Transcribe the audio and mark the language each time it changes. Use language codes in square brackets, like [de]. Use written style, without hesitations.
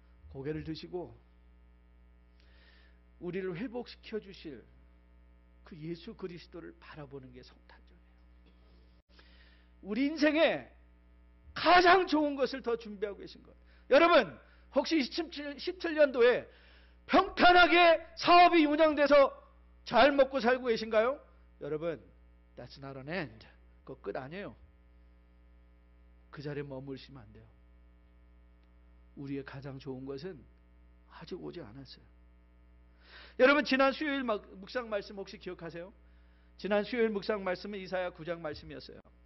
[ko] 고개를 드시고, 우리를 회복시켜 주실 그 예수 그리스도를 바라보는 게 성탄절이에요. 우리 인생에 가장 좋은 것을 더 준비하고 계신 것. 여러분, 혹시 17년도에 평탄하게 사업이 운영돼서 잘 먹고 살고 계신가요? [en] 여러분, that's not an end. [ko] 그거 끝 아니에요. 그 자리에 머물시면 안 돼요. 우리의 가장 좋은 것은 아직 오지 않았어요. 여러분, 지난 수요일 묵상 말씀 혹시 기억하세요? 지난 수요일 묵상 말씀은 이사야 9장 말씀이었어요.